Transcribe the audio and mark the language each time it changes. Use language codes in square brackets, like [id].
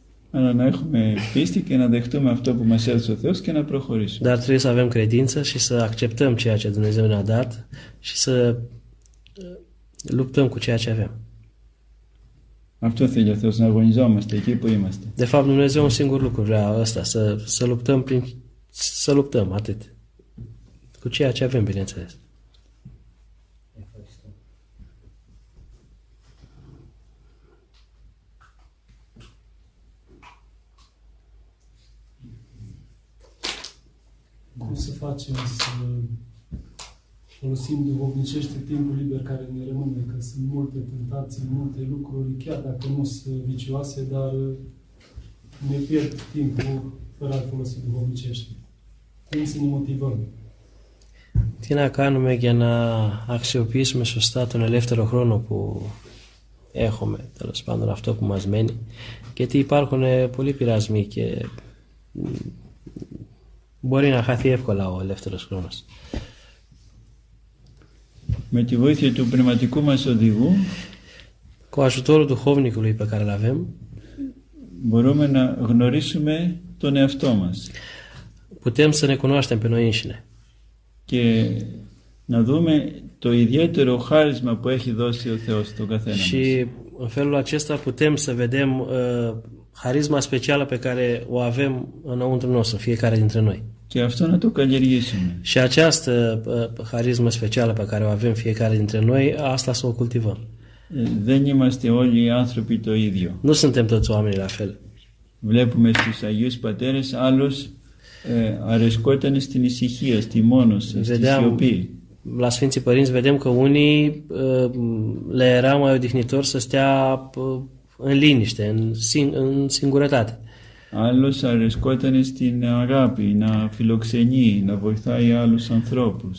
[el] Αλλά να έχουμε πίστη και να δεχτούμε αυτό που μας έδωσε ο Θεός και να προχωρήσουμε. [ro] Dar trebuie să avem credință și să acceptăm ceea ce Dumnezeu ne-a dat și să luptăm cu ceea ce avem. [el] Αυτό θέλει ο Θεός, να αγωνιζόμαστε εκεί που είμαστε. [ro] De fapt, Dumnezeu un singur lucru vrea ăsta, să luptăm prin, să luptăm atât. Cu ceea ce avem, bineînțeles. Cum să facem să folosim duhovnicește timpul liber care ne rămâne, că sunt multe tentații, multe lucruri, chiar dacă nu sunt vicioase, dar ne pierd timpul fără a folosi duhovnicește. Cum să ne motivăm? [el] Tina kanume για να αξιοποιήσουμε σωστά τον ελεύθερο χρόνο που έχουμε, τέλος πάντων αυτό που μας μένει, γιατί υπάρχουν πολλοί πειρασμοί και μπορεί να χαθεί εύκολα ο ελεύθερος χρόνος. Με τη βοήθεια του πνευματικού μας οδηγού, [ro] κοαζουτόρο του χόβνικου, [el] λέει, καταλαβαίνω, μπορούμε να γνωρίσουμε τον εαυτό μας. [ro] Putem să ne cunoaștem pe noi înșine. [el] Και να δούμε το ιδιαίτερο χάρισμα που έχει δώσει ο Θεός στον καθένα μας. [ro] Și în felul acesta putem să vedem harisma specială pe care o avem înăuntru nostru, fiecare dintre noi. [el] Και αυτό να το καλλιεργήσουμε. [ro] Și această harisma specială pe care o avem fiecare dintre noi, asta să o cultivăm. [el] Δεν είμαστε όλοι οι άνθρωποι το ίδιο. [ro] Nu suntem toți oamenii la fel. [el] Βλέπουμε στους Αγίους Πατέρες άλλους αρεσκότανε στην ησυχία, στη μόνωση, στη σιωπή. [ro] La Sfinții Părinți vedem că unii le era mai odihnitor să stea în liniște, în singurătate. [el] Άλλος αρεσκότανε στην αγάπη, να φιλοξενεί, να βοηθάει άλλους ανθρώπους.